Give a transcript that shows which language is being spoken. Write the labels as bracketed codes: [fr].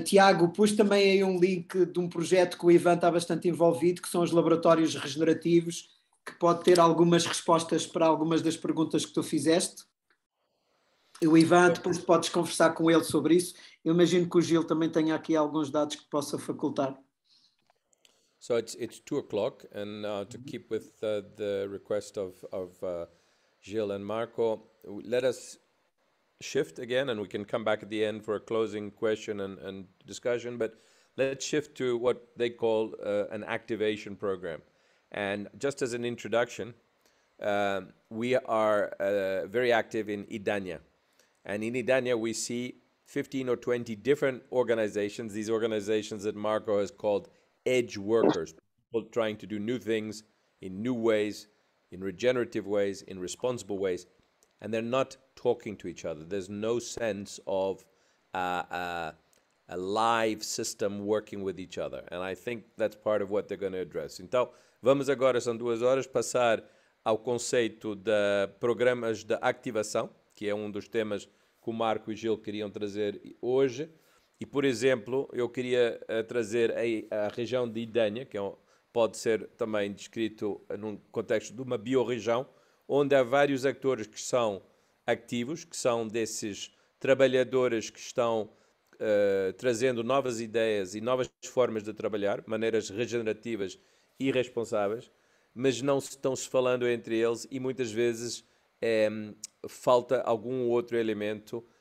[pt] Tiago, pus também aí um link de um projeto que o Ivan está bastante envolvido, que são os laboratórios regenerativos, que pode ter algumas respostas para algumas das perguntas que tu fizeste. E o Ivan, depois podes conversar com ele sobre isso. Eu imagino que o Gil também tenha aqui alguns dados que possa facultar. [en] So it's 2 o'clock, and to keep with the request of Gil and Marco, let us shift again, and we can come back at the end for a closing question and discussion, but let's shift to what they call an activation program. And just as an introduction, we are very active in Idania. And in Idania, we see 15 or 20 different organizations, these organizations that Marco has called edge workers, people trying to do new things in new ways, in regenerative ways, in responsible ways, and they're not talking to each other. There's no sense of a live system working with each other. And I think that's part of what they're going to address. [pt] Então, vamos agora, são 2 horas, passar ao conceito de programas de ativação, que é um dos temas que o Marco e Gil queriam trazer hoje. E, por exemplo, eu queria trazer a região de Idania, que pode ser também descrito num contexto de uma biorregião, onde há vários atores que são ativos, que são desses trabalhadores que estão trazendo novas ideias e novas formas de trabalhar, maneiras regenerativas e responsáveis, mas não estão se falando entre eles e muitas vezes falta algum outro elemento.